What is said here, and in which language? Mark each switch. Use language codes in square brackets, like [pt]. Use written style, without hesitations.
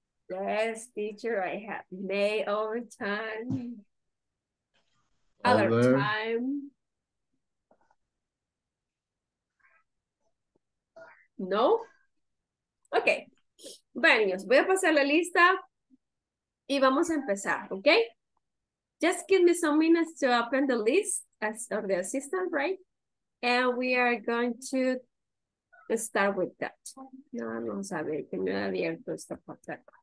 [en] Yes, teacher, I have made overtime. Other time. No? Okay. [es] Bueno, niños, voy a pasar la lista y vamos a empezar, okay? [en] Just give me some minutes to open the list of the assistant, right? And we are going to start with that. [es] No, vamos a ver que no he abierto esta parte.